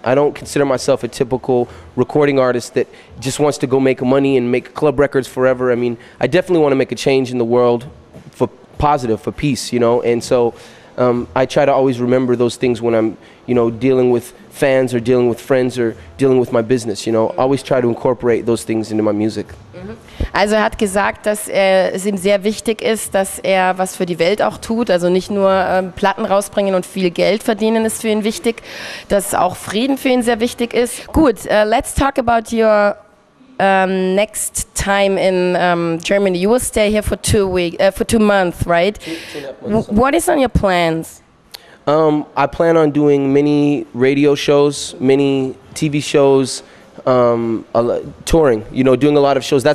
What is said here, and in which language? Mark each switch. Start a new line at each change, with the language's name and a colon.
English: I don't consider myself a typical recording artist that just wants to go make money and make club records forever. I mean, I definitely want to make a change in the world for positive, for peace, you know, and so I try to always remember those things when I'm, you know, dealing with fans or dealing with friends or dealing with my business, you know. Always try to incorporate those things into my music.
German: Also er hat gesagt, dass es ihm sehr wichtig ist, dass er was für die Welt auch tut, also nicht nur Platten rausbringen und viel Geld verdienen ist für ihn wichtig, dass auch Frieden für ihn sehr wichtig ist.
English: Gut, let's talk about your next time in Germany. You will stay here for two months, right? What is on your plans? I plan on doing many radio shows, many TV shows, touring, you know, doing a lot of shows.